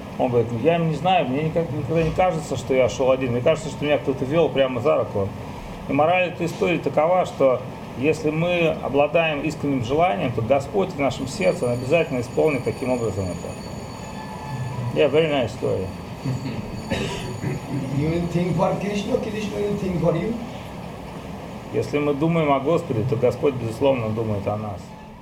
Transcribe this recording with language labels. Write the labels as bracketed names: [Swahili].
[Russian] Он говорит, я не знаю, мне никогда не кажется, что я шел один. Мне кажется, что меня кто-то вел прямо за руку. И мораль этой истории такова, что если мы обладаем искренним желанием, то Господь в нашем сердце он обязательно исполнит таким образом это. [English] Yeah, very nice story. You will think for Krishna, Krishna will think for you. [Russian] Если мы думаем о Господе, то Господь, безусловно, думает о нас.